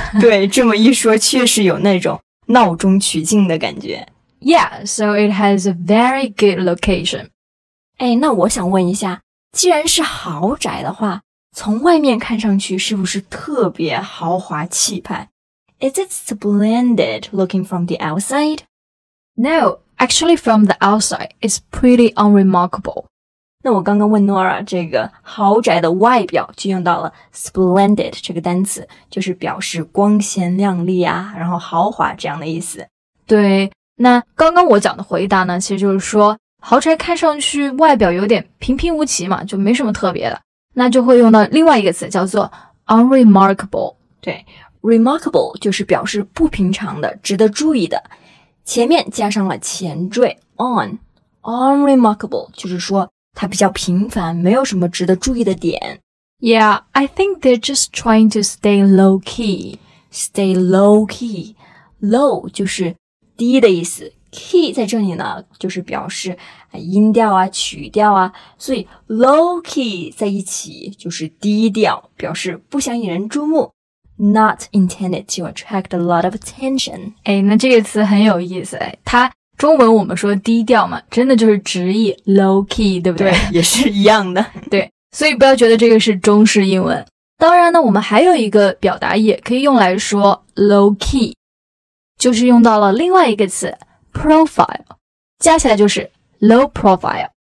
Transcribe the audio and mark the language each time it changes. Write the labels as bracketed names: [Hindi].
[Chinese] 对，这么一说确实有那种闹中取静的感觉。 [English] Yeah, so it has a very good location. [Chinese] 哎，那我想问一下，既然是豪宅的话，从外面看上去是不是特别豪华气派？ [English] Is it splendid looking from the outside? No, actually from the outside, it's pretty unremarkable. [Chinese] 那我刚刚问 Nora 这个豪宅的外表就用到了 splendid 这个单词，就是表示光鲜亮丽啊，然后豪华这样的意思。对，那刚刚我讲的回答呢，其实就是说豪宅看上去外表有点平平无奇嘛，就没什么特别的，那就会用到另外一个词叫做 unremarkable。对， remarkable 就是表示不平常的，值得注意的，前面加上了前缀 on， unremarkable 就是说它比较平凡，没有什么值得注意的点。 [English] Yeah, I think they're just trying to stay low key. Stay low key. [Chinese] Low 就是低的意思， key 在这里呢就是表示音调啊曲调啊，所以 low key 在一起就是低调，表示不想引人注目。 [English] Not intended to attract a lot of attention. [Chinese] 哎，那这个词很有意思，哎，它中文我们说低调嘛，真的就是直译 low key， 对不对？对，也是一样的。对，所以不要觉得这个是中式英文。当然呢，我们还有一个表达也可以用来说 low key， 就是用到了另外一个词 profile， 加起来就是 low profile。